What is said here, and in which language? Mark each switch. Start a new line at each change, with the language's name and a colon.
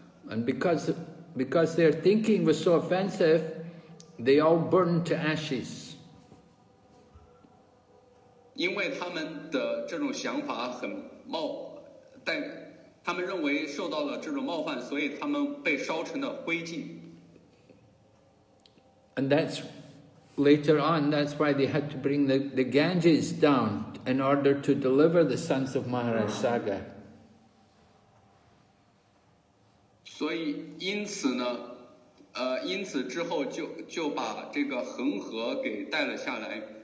English: And because their thinking was so offensive, they all burned to ashes.
Chinese: 因为他们的这种想法很冒，但他们认为受到了这种冒犯，所以他们被烧成了灰烬。
English: And that's later on, that's why they had to bring the Ganges down in order to deliver the sons of Maharaj Sagar.
Chinese: 所以因此之后就把这个恒河给带了下来,